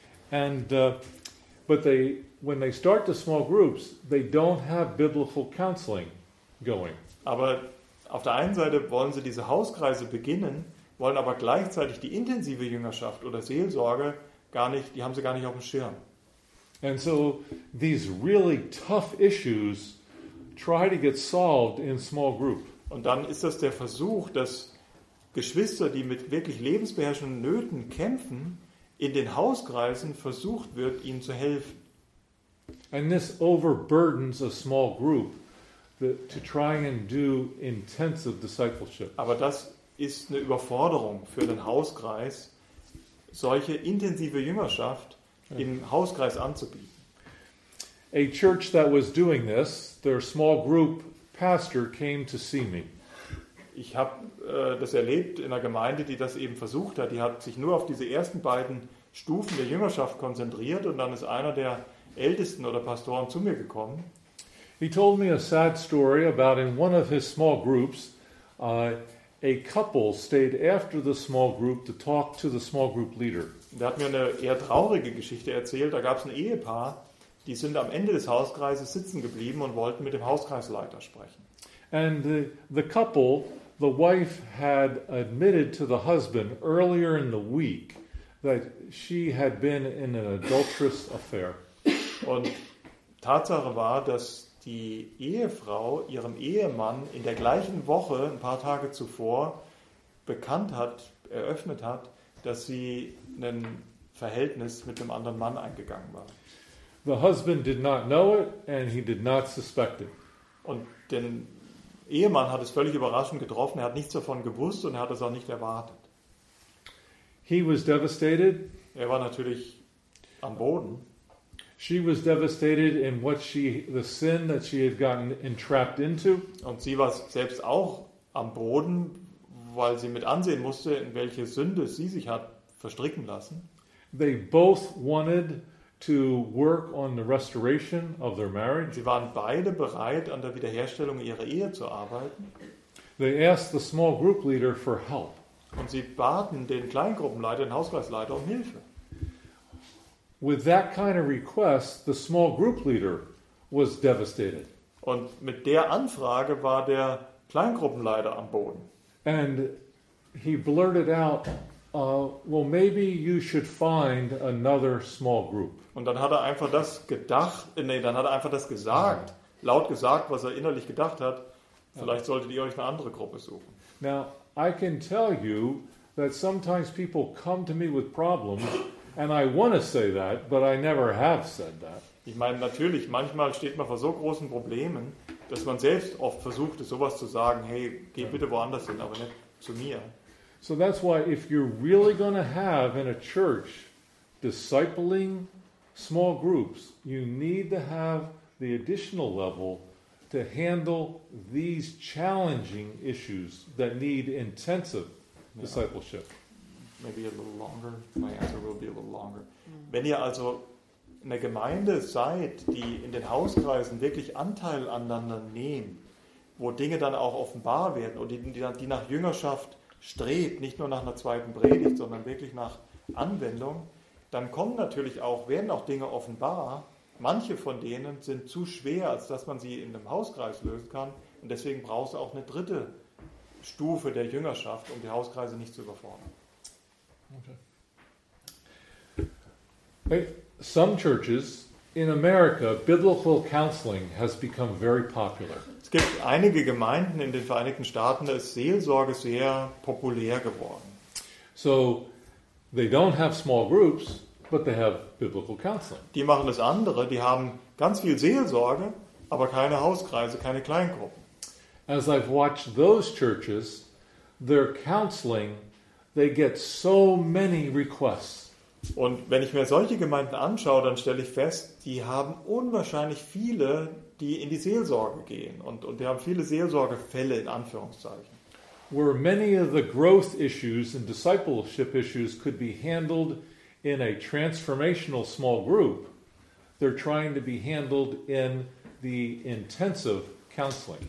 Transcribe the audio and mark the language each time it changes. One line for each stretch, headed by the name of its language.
English: And but they, when they start the small groups, they don't have biblical counseling going.
German: Aber auf der einen Seite wollen sie diese Hauskreise beginnen, wollen aber gleichzeitig die intensive Jüngerschaft oder Seelsorge gar nicht, die haben sie gar nicht auf dem Schirm.
English: And so these really tough issues try to get solved in small group.
German: Und dann ist das der Versuch, dass Geschwister, die mit wirklich lebensbeherrschenden Nöten kämpfen, in den Hauskreisen versucht wird, ihnen zu helfen.
English: And this overburdens a small group to try and do intensive discipleship.
German: Aber das ist eine Überforderung für den Hauskreis, solche intensive Jüngerschaft im Hauskreis anzubieten.
English: A church that was doing this, their small group pastor came to see me.
German: Ich habe das erlebt in einer Gemeinde, die das eben versucht hat. Die hat sich nur auf diese ersten beiden Stufen der Jüngerschaft konzentriert und dann ist einer der Ältesten oder Pastoren zu mir gekommen.
English: He told me a sad story about in one of his small groups, a couple stayed after the small group to talk to the small group leader.
German: Der hat mir eine eher traurige Geschichte erzählt. Da gab es ein Ehepaar, die sind am Ende des Hauskreises sitzen geblieben und wollten mit dem Hauskreisleiter sprechen.
English: And the couple, the wife had admitted to the husband earlier in the week that she had been in an adulterous affair.
German: Und Tatsache war, dass die Ehefrau ihrem Ehemann in der gleichen Woche, ein paar Tage zuvor, bekannt hat, eröffnet hat, dass sie ein Verhältnis mit einem anderen Mann eingegangen war.
English: The husband did not know it and he did not suspect it.
German: Und den Ehemann hat es völlig überraschend getroffen. Er hat nichts davon gewusst und er hat es auch nicht erwartet.
English: He was devastated.
German: Er war natürlich am Boden.
English: She was devastated in what she, the sin that she had gotten entrapped into.
German: Und sie war selbst auch am Boden, weil sie mit ansehen musste, in welche Sünde sie sich hat verstricken lassen.
English: They both wanted to work on the restoration of their marriage.
German: Sie waren beide bereit, an der Wiederherstellung ihrer Ehe zu arbeiten.
English: They asked the small group leader for help.
German: Und sie baten den Kleingruppenleiter, den Hauskreisleiter um Hilfe.
English: With that kind of request, the small group leader was devastated.
German: Und mit der Anfrage war der Kleingruppenleiter am Boden.
English: And he blurted out, well, maybe you should find another small group.
German: Und dann hat er einfach das gedacht, nee, dann hat er einfach das gesagt, laut gesagt, was er innerlich gedacht hat, vielleicht solltet ihr euch eine andere Gruppe suchen.
English: Now, I can tell you that sometimes people come to me with problems. And I want to say that, but I never have said that.
German: Ich meine, natürlich, manchmal steht man vor so großen Problemen, dass man selbst oft versucht, sowas zu sagen, hey, geh bitte woanders hin, aber nicht zu mir.
English: So that's why if you're really going to have in a church discipling small groups, you need to have the additional level to handle these challenging issues that need intensive discipleship. Maybe a little longer. My answer will be a little longer.
German: Wenn ihr also eine Gemeinde seid, die in den Hauskreisen wirklich Anteil aneinander nehmen, wo Dinge dann auch offenbar werden und die nach Jüngerschaft strebt, nicht nur nach einer zweiten Predigt, sondern wirklich nach Anwendung, dann kommen natürlich auch, werden auch Dinge offenbar. Manche von denen sind zu schwer, als dass man sie in einem Hauskreis lösen kann. Und deswegen brauchst du auch eine dritte Stufe der Jüngerschaft, um die Hauskreise nicht zu überfordern.
English: Okay. Some churches in America, biblical counseling has become very popular.
German: Es gibt einige Gemeinden in den Vereinigten Staaten, da ist Seelsorge sehr populär geworden.
English: So, they don't have small groups, but they have biblical counseling.
German: Die machen das andere, die haben ganz viel Seelsorge, aber keine Hauskreise, keine Kleingruppen.
English: As I've watched those churches, their counseling, they get so many requests.
German: Und wenn ich mir solche Gemeinden anschaue, dann stelle ich fest, die haben unwahrscheinlich viele, die in die Seelsorge gehen. Und die haben viele Seelsorgefälle, in Anführungszeichen.
English: Where many of the growth issues and discipleship issues could be handled in a transformational small group, they're trying to be handled in the intensive counseling.